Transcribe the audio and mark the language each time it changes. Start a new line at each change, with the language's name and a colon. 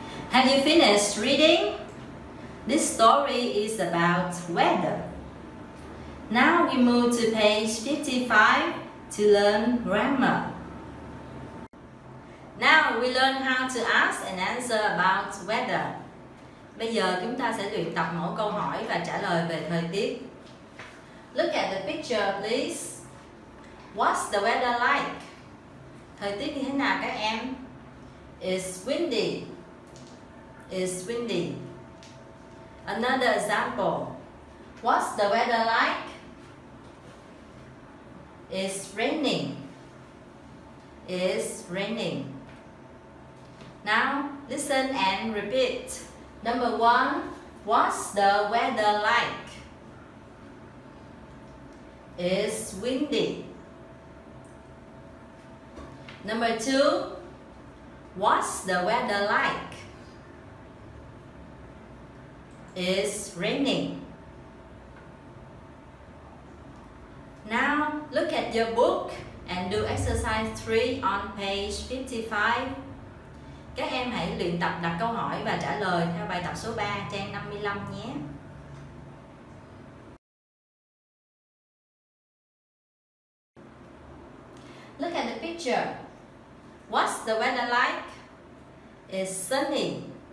English: Have you finished reading? This story is about weather. Now we move to page 55 to learn grammar. Now Now we learn how to ask and answer about weather.
Vietnamese: Bây giờ chúng ta sẽ luyện tập mỗi câu hỏi và trả lời về thời tiết.
English: Look at the picture, please. What's the weather like?
Vietnamese: Thời tiết như thế nào các em?
English: It's windy. It's windy. Another example. What's the weather like? It's raining. It's raining. Now, listen and repeat. Number one, what's the weather like? It's windy. Number two, what's the weather like? It's raining. Now, look at your book and do exercise 3 on page 55.
Vietnamese: Các em hãy luyện tập đặt câu hỏi và trả lời theo bài tập số 3 trang 55 nhé.
English: Look at the picture. What's the weather like? It's sunny.